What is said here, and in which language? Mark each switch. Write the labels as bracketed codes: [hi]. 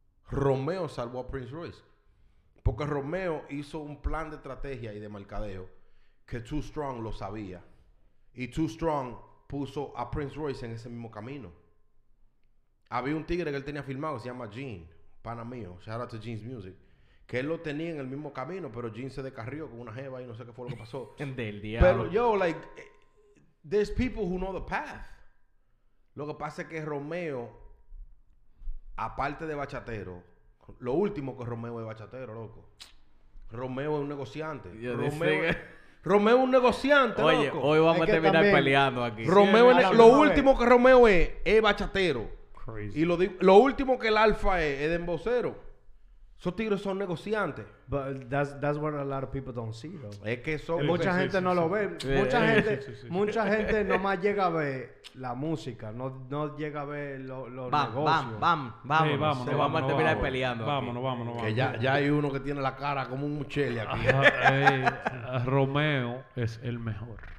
[es] Romeo salvó a Prince Royce. Porque Romeo hizo un plan de estrategia y de mercadeo que Too Strong lo sabía. Y Too Strong puso a Prince Royce en ese mismo camino. Había un tigre que él tenía filmado que se llama Gene, pana mío. [en] Shout out to Gene's Music. [es] Que él lo tenía en el mismo camino, pero Gene se descarrió con una jeva y no sé qué fue lo que pasó. Del diablo. Pero yo, [en] like, there's people who know the path. [es] Lo que pasa es que Romeo, aparte de bachatero, lo último que Romeo es bachatero, loco. Romeo es un negociante. Romeo, Romeo es un negociante. Oye, loco. Hoy vamos a terminar también peleando aquí. Romeo, sí, es, lo último que Romeo es bachatero. Crazy. Y lo digo, lo último que el Alfa es dembocero. Esos tigres son negociantes. [en] But that's what a lot of people don't see, though. [es] Es que son... Mucha gente no lo ve. Mucha gente... Mucha gente nomás llega a ver la música. No, no llega a ver los negocios. Vamos. Sí, vamos a terminar peleando. Vámonos. Que ya hay uno que tiene la cara como un Muchelli aquí. Romeo es el mejor.